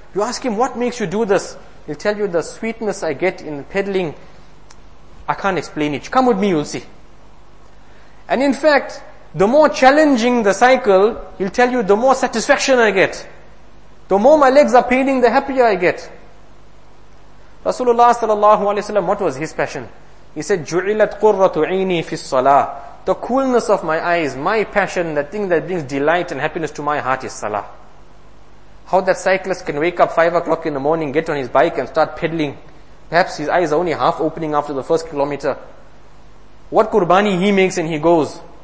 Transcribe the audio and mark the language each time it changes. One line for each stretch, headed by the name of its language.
English: You ask him, what makes you do this? He'll tell you, the sweetness I get in pedaling, I can't explain it. Come with me, you'll see. And in fact, the more challenging the cycle, he'll tell you, the more satisfaction I get. The more my legs are paining, the happier I get. Rasulullah sallallahu alayhi wa sallam, what was his passion? He said,
Arabic: جُعِلَتْ قُرَّةُ عَيْنِي فِي الصَّلَاةِ.
English: The coolness of my eyes, my passion, the thing that brings delight and happiness to my heart is salah. How that cyclist can wake up 5 o'clock in the morning, get on his bike and start pedaling. Perhaps his eyes are only half opening after the first kilometer. What qurbani he makes and he goes.